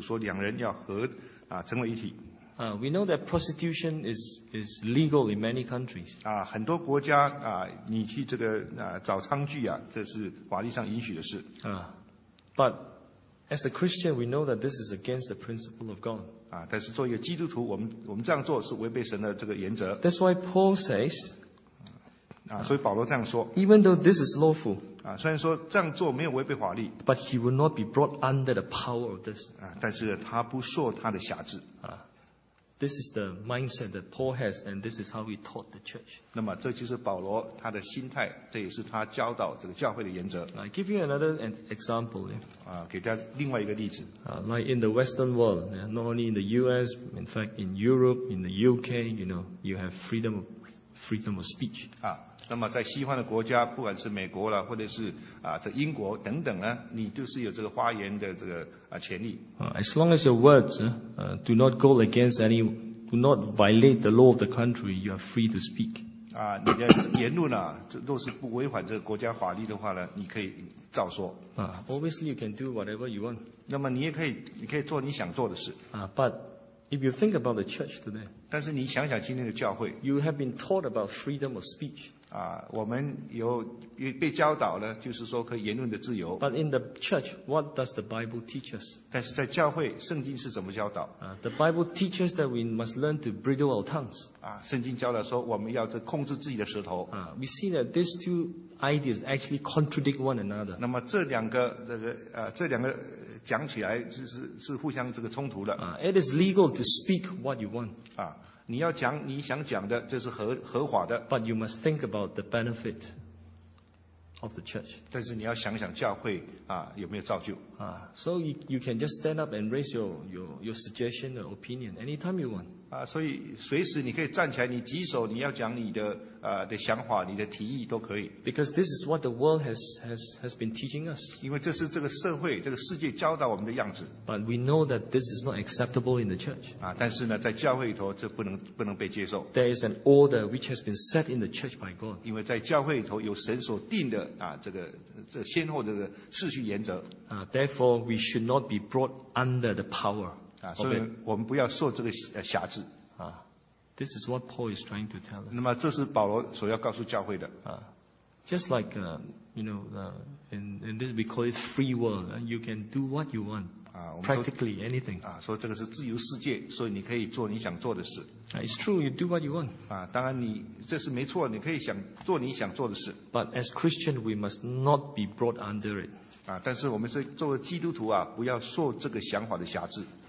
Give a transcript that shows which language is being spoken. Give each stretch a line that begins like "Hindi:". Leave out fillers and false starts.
Chinese: 说岂不是以娼妓联合的，便是以他结成一体？因为主说两人要合，成为一体。
English: We know that prostitution is legal in many countries.
Chinese: 很多国家, 你去这个, 找娼妓啊, 这是法律上允许的事。
English: But as a Christian, we know that this is against the principle of God.
Chinese: 但是作为一个基督徒, 我们这样做是违背神的这个原则。
English: That's why Paul says,
Chinese: 所以保罗这样说,
English: even though this is lawful,
Chinese: 虽然说这样做没有违背法律,
English: but he will not be brought under the power of this.
Chinese: 但是他不受他的辖制。
English: This is the mindset that Paul has, and this is how he taught the church.
Chinese: 那么这就是保罗他的心态，这也是他教导这个教会的原则。
English: I give you another example.
Chinese: 给大家另外一个例子。
English: Like in the Western world, not only in the U.S., in fact, in Europe, in the U.K., you know, you have freedom of speech.
Chinese: 那么在西方的国家，不管是美国了，或者是这英国等等呢，你就是有这个发言的这个权利。
English: As long as your words do not go against any, do not violate the law of the country, you are free to speak.
Chinese: 你的言论呢，若是不违反这个国家法律的话呢，你可以照说。
English: Obviously, you can do whatever you want.
Chinese: 那么你可以做你想做的事。
English: But if you think about the church today,
Chinese: 但是你想想今天的教会
English: ，you have been taught about freedom of speech.
Chinese: 我们有被教导呢，就是说可以言论的自由。
English: But in the church, what does the Bible teach us?
Chinese: 但是在教会，圣经是怎么教导？
English: The Bible teaches that we must learn to bridle our tongues.
Chinese: 圣经教导说我们要控制自己的舌头。
English: We see that these two ideas actually contradict one another.
Chinese: 那么这两个讲起来是互相这个冲突的。
English: It is legal to speak what you want.
Chinese: 你要讲你想讲的，这是合法的。
English: But you must think about the benefit of the church.
Chinese: 但是你要想想教会有没有造就。
English: So you can just stand up and raise your suggestion or opinion anytime you want.
Chinese: 所以随时你可以站起来，你举手，你要讲你的的想法，你的提议都可以。
English: Because this is what the world has been teaching us.
Chinese: 因为这是这个社会，这个世界教导我们的样子。
English: But we know that this is not acceptable in the church.
Chinese: 但是呢，在教会里头，这不能被接受。
English: There is an order which has been set in the church by God.
Chinese: 因为在教会里头有神所定的这个先后这个次序原则。
English: Therefore, we should not be brought under the power.
Chinese: 所以我们不要受这个辖制。
English: This is what Paul is trying to tell us.
Chinese: 那么这是保罗所要告诉教会的。
English: Just like, in this we call it free will. You can do what you want. Practically anything.
Chinese: 所以这个是自由世界，所以你可以做你想做的事。
English: It's true, you do what you want.
Chinese: 当然你这是没错，你可以想做你想做的事。
English: But as Christian, we must not be brought under it.
Chinese: 但是我们是作为基督徒不要受这个想法的辖制。